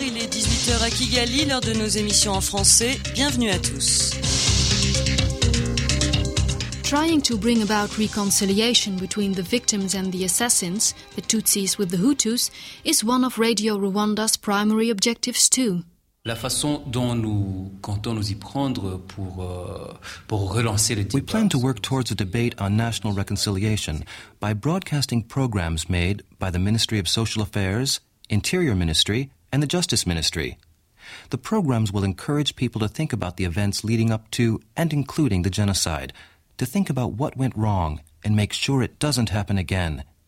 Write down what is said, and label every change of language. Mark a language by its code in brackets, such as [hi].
[fr] Il est 18h à Kigali, l'heure de nos émissions en français. Bienvenue à tous. [en] trying to bring about reconciliation between the victims and the assassins, the Tutsis with the Hutus, is one of Radio Rwanda's primary objectives too. [fr] La façon dont nous comptons nous y prendre pour relancer le débat. [en] We plan to work towards a debate on national reconciliation by broadcasting programs made by the Ministry of Social Affairs, Interior Ministry, and the Justice Ministry. The programs will encourage people to think about the events leading up to and including the genocide, to think about what went wrong and make sure it doesn't happen again.